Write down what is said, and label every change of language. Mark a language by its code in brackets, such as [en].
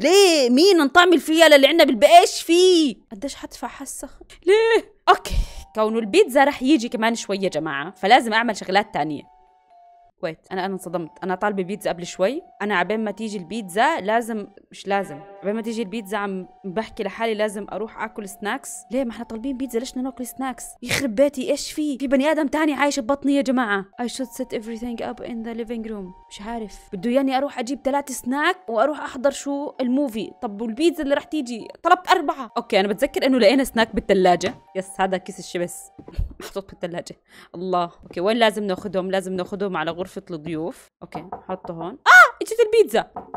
[ar] ليه؟ مين نطعم الفيلة اللي عندنا بالبيت؟ ايش فيه؟ قديش حدفع حسة؟ ليه؟ اوكي، كونه البيتزا رح يجي كمان شوي يا جماعة، فلازم أعمل شغلات تانية. ويت، أنا انصدمت، أنا طالبة بيتزا قبل شوي، أنا عبين ما تيجي البيتزا لازم، مش لازم، عبين ما تيجي البيتزا عم بحكي لحالي لازم أروح آكل سناكس. ليه؟ ما احنا طالبين بيتزا، ليش بدنا ناكل سناكس؟ يخرب بيتي، إيش في؟ في بني آدم تاني عايش ببطني يا جماعة. [en] I should set everything up in the living room. [ar] مش عارف، بده ياني أروح أجيب 3 سناك وأروح أحضر شو الموفي، طب والبيتزا اللي رح تيجي؟ طلبت 4. أوكي، أنا بتذكر إنه لقينا سناك بالثلاجة. يس، هذا كيس الشبس محطوط بالثلاجة. الله، أوكي، وين لازم ناخذهم؟ لازم ناخذهم على غرفة الضيوف. أوكي، حطه هون. اجت البيتزا.